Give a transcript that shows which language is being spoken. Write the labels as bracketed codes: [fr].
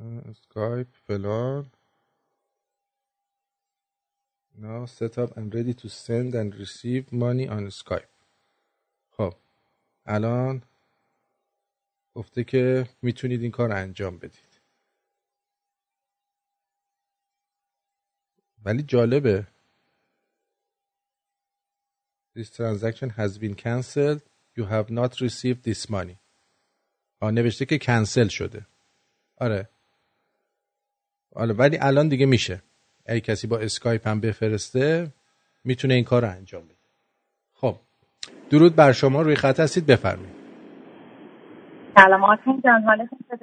[fa] اسکایپ فلان [en] now set up and ready to send and receive money on Skype. [fa] خب الان گفته که میتونید این کار انجام بدید. ولی جالبه [en] this transaction has been cancelled, you have not received this money. [fa] آه نوشته که کنسل شده. آره ولی الان دیگه میشه اگه کسی با اسکایپ هم بفرسته میتونه این کار رو انجام بده. خب درود بر شما روی خط هستید بفرمید. سلام آتون جان حالتون